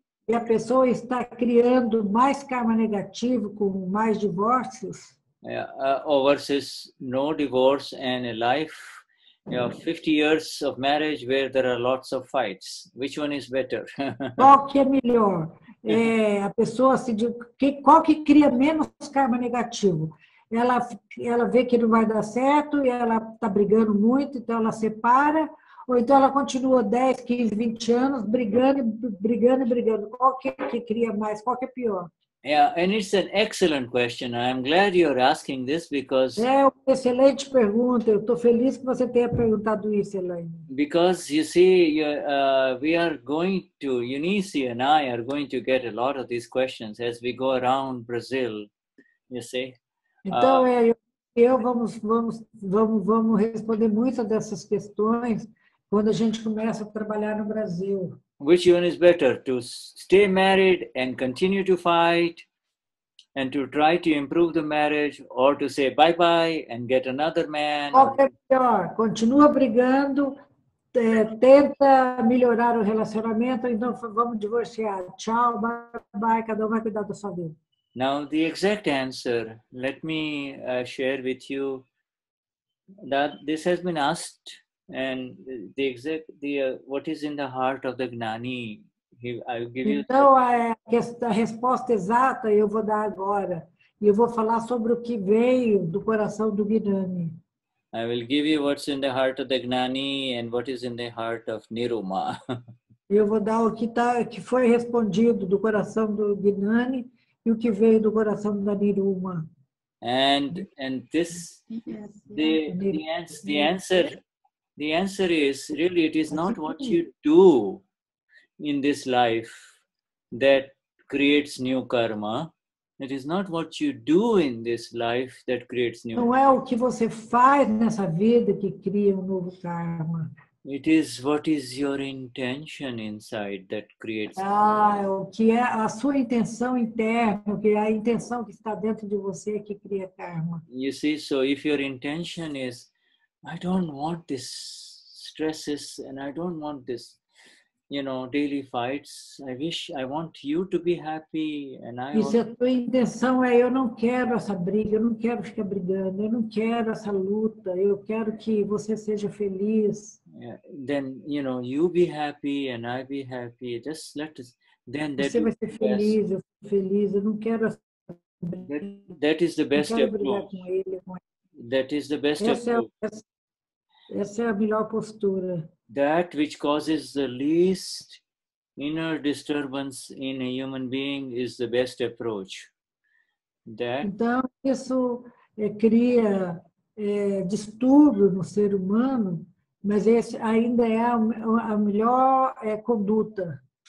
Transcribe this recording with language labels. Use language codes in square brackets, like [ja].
[pt] E a pessoa está criando mais karma negativo com mais divórcios? [en] Or versus no divorce and a life. You know, 50 years of marriage where there are lots of fights. Which one is better? [pt] Qual que é melhor? A pessoa se diz, qual que cria menos karma negativo? Ela vê que não vai dar certo e ela está brigando muito, então ela separa. Ou então ela continua 10, 15, 20 anos brigando. Qual que é que cria mais? Qual que é pior? [en] Yeah, and it's an excellent question. I'm glad you're asking this because... [pt] É uma excelente pergunta. Eu estou feliz que você tenha perguntado isso, Elaine. [en] Because, you see, we are going to... Eunice and I are going to get a lot of these questions as we go around Brazil, you see. [pt] Então, eu vamos responder muitas dessas questões quando a gente começa a trabalhar no Brasil. [en] Which one is better, to stay married and continue to fight and to try to improve the marriage or to say bye-bye and get another man? [pt] Qual é melhor? Continua brigando, tenta melhorar o relacionamento, então vamos divorciar. Tchau, bye-bye, cada um vai cuidar da sua vida. [en] Now, the exact answer, let me share with you that this has been asked. And the exact what is in the heart of the Gnani, I'll give you. [pt] Então a resposta exata eu vou dar agora. Eu vou falar sobre o que veio do coração do Gnani. [en] I will give you what's in the heart of the Gnani and what is in the heart of Niruma. [pt] Eu vou dar o que tá, que foi respondido do coração do Gnani e o que veio do coração da Niruma. [en] And this the answer. The answer is, really, it is not what you do in this life that creates new karma. It is not what you do in this life that creates new karma. [pt] Não é o que você faz nessa vida que cria um novo karma. [en] It is what is your intention inside that creates karma. [pt] Ah, o que é a sua intenção interna, que é a intenção que está dentro de você que cria karma. [en] You see, so if your intention is, I don't want this stresses and I don't want this, you know, daily fights. I want you to be happy and I [pt] want... Se a tua intenção é eu não quero essa briga, eu não quero ficar brigando, eu não quero essa luta, eu quero que você seja feliz. [en] Yeah, then, you know, you be happy and I be happy. Just let us... Then that [pt] você vai ser feliz, best. Eu sou feliz, eu não quero essa briga. [en] That is the best approach. That is the best [pt] essa é a melhor postura. [en] That which causes the least inner disturbance in a human being is the best approach. That... [pt] Então, isso cria distúrbio no ser humano, mas esse ainda é a melhor conduta.